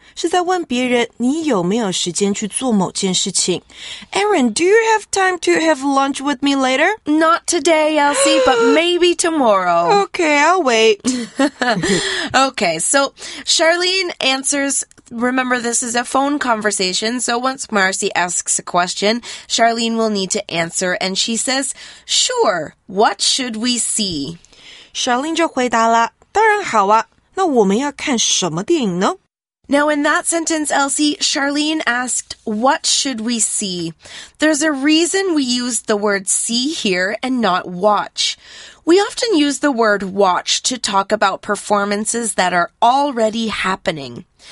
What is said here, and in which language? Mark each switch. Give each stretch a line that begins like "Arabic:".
Chinese: 是在问别人你有没有时间去做某件事情。
English: Aaron, do you have time to have lunch with me later? Not today, Elsie, but maybe tomorrow. Okay, I'll wait. Okay, so Charlene answers, remember this is a phone conversation, so once Marcy asks a question, Charlene will need to answer, and she says, sure, what should we see?
Chinese: Charlene 就回答了，当然好啊。那我们要看什么电影呢？
English: Now, in that sentence, Elsie, Charlene asked, what should we see? There's a reason we use the word see here and not watch. We often use the word watch to talk about performances that are already happening.